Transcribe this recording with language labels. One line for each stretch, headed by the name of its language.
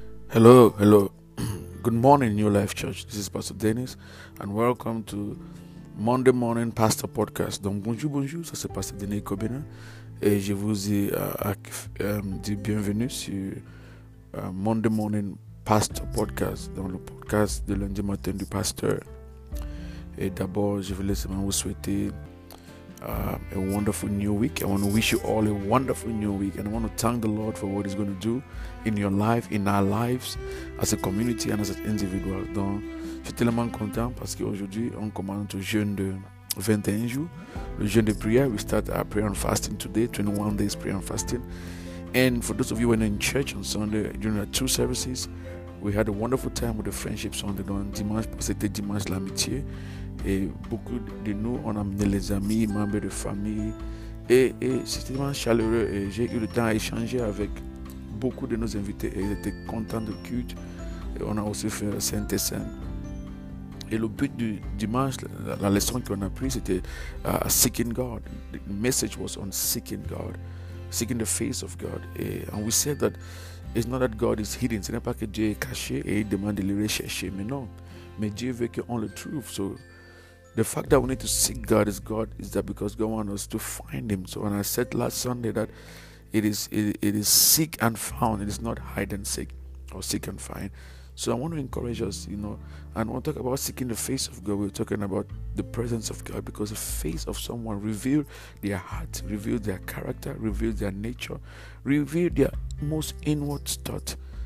English: Hello, hello. Good morning, New Life Church. This is Pastor Dennis, and welcome to Monday Morning Pastor Podcast.
French: Donc, bonjour, bonjour. Ça, c'est Pastor Denis Kobina. Et je vous dis bienvenue sur Monday Morning Pastor Podcast, dans le podcast de lundi matin du pasteur. Et d'abord, je voulais seulement vous souhaiter
English: a wonderful new week. I want to wish you all a wonderful new week. And I want to thank the Lord for what He's going to do in your life, in our lives, as a community and as an individual.
French: Donc, je suis tellement content parce qu'aujourd'hui, on commence le jeûne de 21 jours. Le jeûne de prière,
English: we start our prayer and fasting today, 21 days prayer and fasting. And for those of you who are in church on Sunday, during the two services, we had a wonderful time with the Friendship Sunday.
French: Donc, dimanche, c'était dimanche l'amitié. Et beaucoup de nous, on a amené les amis, membres de famille. Et c'était vraiment chaleureux. Et j'ai eu le temps à échanger avec beaucoup de nos invités. Et ils étaient contents de culte. Et on a aussi fait un Saint-Essène. Et le but du dimanche, la leçon qu'on a prise, c'était Seeking God.
English: The message was on Seeking God. Seeking the face of God. And we said that it's not that God is hidden.
French: Ce n'est pas que Dieu est caché et il demande de le rechercher. Mais non. Mais Dieu veut qu'on le trouve.
English: So, the fact that we need to seek God is God is that because God wants us to find Him. So when I said last Sunday that it is seek and found, it is not hide and seek or seek and find. So I want to encourage us, you know, and we'll talk about seeking the face of God. We're talking about the presence of God, because the face of someone reveals their heart, reveals their character, reveals their nature, reveals their most inward thought.